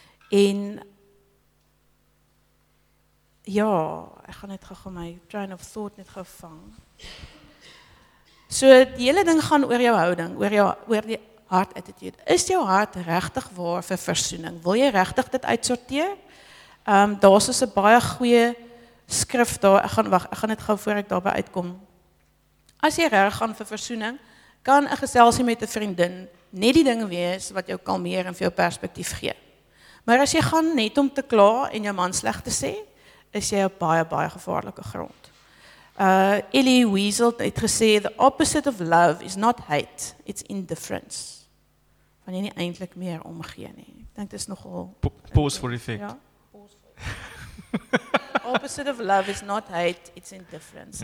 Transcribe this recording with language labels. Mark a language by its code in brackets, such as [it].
[af] En ja, ek gaan net gou my [en] train of thought [af] net gou vang. So die hele ding gaan oor jou houding, oor die [en] heart attitude. [af] Is jou hart regtig waar vir versoening? Wil jy regtig dit uitsorteer? Daar's so 'n baie goeie skrif daar. Ek gaan net gou voor ek daarby uitkom. As jy reg gaan vir versoening, kan 'n geselsie met 'n vriendin net die ding wees wat jou kalmeer en vir jou perspektief gee. Maar as jy gaan net om te kla en jou man sleg te sê, is jy op baie, baie gevaarlike grond. Elie Wiesel het gesê, [en] the opposite of love is not hate, it's indifference. [af] Van jy nie eintlik meer omgee nie. Ek dink dis nogal... [en] Pause for effect. Ja, opposite of love is not hate, it's indifference.